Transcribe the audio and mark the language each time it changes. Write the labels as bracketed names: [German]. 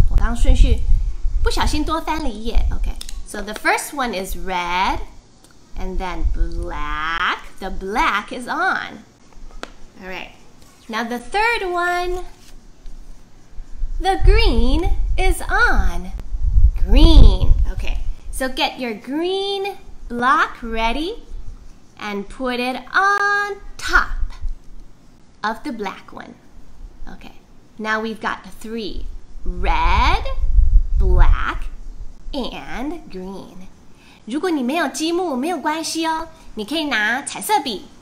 [Chinese] 我刚顺序不小心多翻了一页。 [English] Okay. So the first one is red and then black. The black is on. All right, now the third one, the green is on. Green, okay. So get your green block ready and put it on top of the black one. Okay, now we've got three, red, black, and green. [Chinese] 如果你没有积木，没有关系哦，你可以拿彩色笔。